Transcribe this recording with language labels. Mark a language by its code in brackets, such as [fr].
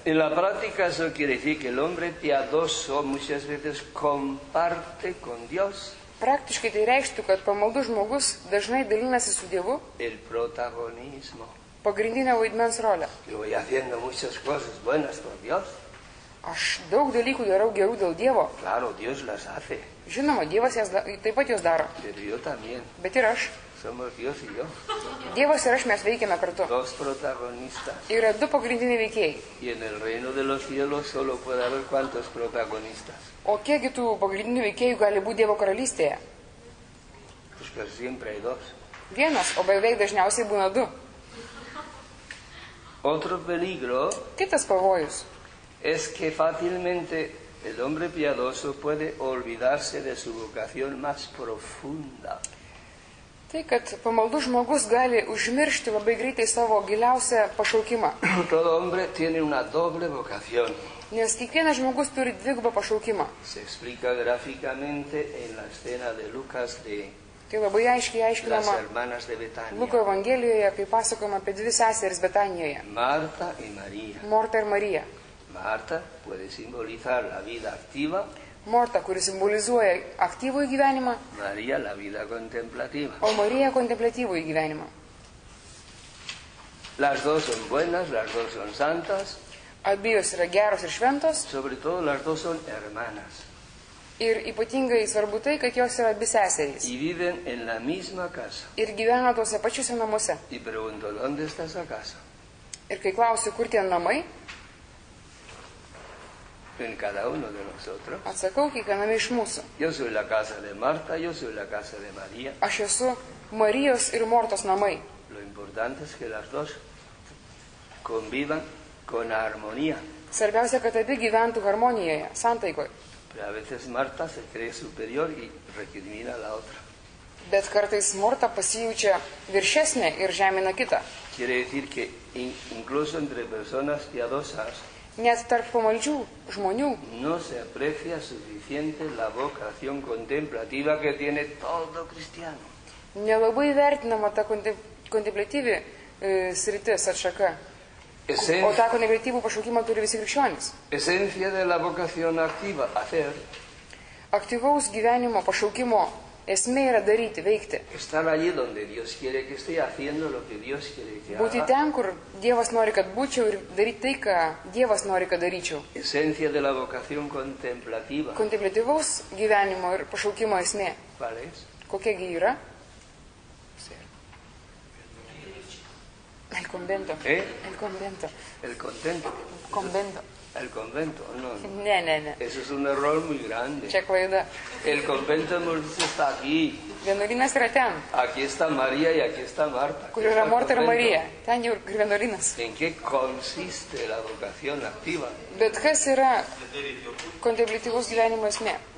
[es] En la práctica eso quiere decir que el hombre piadoso muchas veces comparte con Dios. [lt] Praktiškai tai reikštų, kad pamaldus žmogus dažnai dalinasi su Dievu. [es] El protagonismo. [lt] Pagrindinė vaidmens rolė. [es] Yo voy haciendo muchas cosas buenas por Dios. [lt] Aš daug dalykų darau gerų dėl Dievo. [es] Claro, Dios las hace. [lt] Žinoma, Dievas jas taip pat jos daro. [es] Pero yo también. [lt] Bet ir aš. [es] Somos Dios y yo. [lt] Dievas ir aš mes veikiame kartu. [es] Dos protagonistas. [lt] Yra du pagrindiniai veikėjai. [es] Y en el reino de los cielos solo puede haber cuantos protagonistas. [lt] O kiekgi tų pagrindinių veikėjų gali būti Dievo karalystėje? [es] Pues que siempre hay dos. [lt] Vienas, o beveik dažniausiai būna du. [es] Otro peligro. [lt] Kitas pavojus. [es] Es que fácilmente el hombre piadoso puede olvidarse de su vocación más profunda. [lt] Tai, kad pamaldus žmogus gali užmiršti labai greitai savo giliausią pašaukimą. [es] Todo hombre tiene una doble vocación. [lt] Nes kiekvienas žmogus turi dvigubą pašaukimą. [es] Se explica gráficamente en la escena de Lucas de. [lt] Tai labai aiškiai aiškinama Luko evangelijoje, kai pasakoma apie dvi seseris Betanijoje. [es] Marta y María. [lt] Morta ir Marija. [es] Marta puede simbolizar la vida activa. [lt] Morta, kuri simbolizuoja aktyvų gyvenimą. [es] María la vida contemplativa. [lt] O Marija kontemplatyvų gyvenimą. [es] Las dos son buenas, las dos son santas. [lt] Abijos yra geros ir šventos. [es] Sobre todo las dos son hermanas. [lt] Ir ypatingai svarbu tai, kad jos yra biseserys. [es] Y viven en la misma casa. [lt] Ir gyvena tuose pačiuose namuose. [es] Y pregunto, ¿dónde está esa casa? [lt] Ir kai klausiu, kur tie namai? [es] En cada uno de nosotros. [lt] Atsakau, kiekviename iš mūsų. [es] Yo soy la casa de Marta, yo soy la casa de María. [lt] Aš esu Marijos ir Mortos namai. [es] Lo importante es que las dos convivan con armonía. [lt] Svarbiausia, kad abi gyventų harmonijoje, santaikoje. [es] A veces Marta se cree superior y recrimina la otra. [lt] Bet kartais Morta pasijaučia viršesnė ir žemina kitą. [es] Quiere decir que incluso entre personas piadosas. [lt] Net tarp pamaldžių žmonių. [es] No se aprecia suficiente la vocación contemplativa que tiene todo cristiano. [lt] Nelabai vertinama ta kontemplatyvi sritis atšaka. O tako negativų pašaukimą turi visi krikščionys. [es] Esencija de la vocación activa, hacer. [lt] Aktyvaus gyvenimo pašaukimo esmė yra daryti, veikti. [es] Estar allí donde Dios quiere que esté, haciendo lo que Dios quiere que haga. [lt] Būti ten, kur Dievas nori, kad būčiau ir daryti tai, ką Dievas nori, kad daryčiau. [es] Esencija de la vocación contemplativa. [lt] Kontemplatyvaus gyvenimo ir pašaukimo esmė. [es] ¿Cuál es? [lt] Kokia gi yra? [es] El convento. ¿Eh? El convento. El contento. Convento. El convento, no, no. [lt] Ne, ne, ne. [es] Eso es un error muy grande. [lt] Čia klaida. [es] El convento hemos dicho está aquí. [lt] Vienuolynas yra ten. [es] Aquí está María y aquí está Marta. [lt] Kur yra Morta ir Marija. Ten jau ir vienuolynas. [es] ¿En qué consiste la vocación activa? [lt] Bet kas yra kontemplatyvus gyvenimo esmė?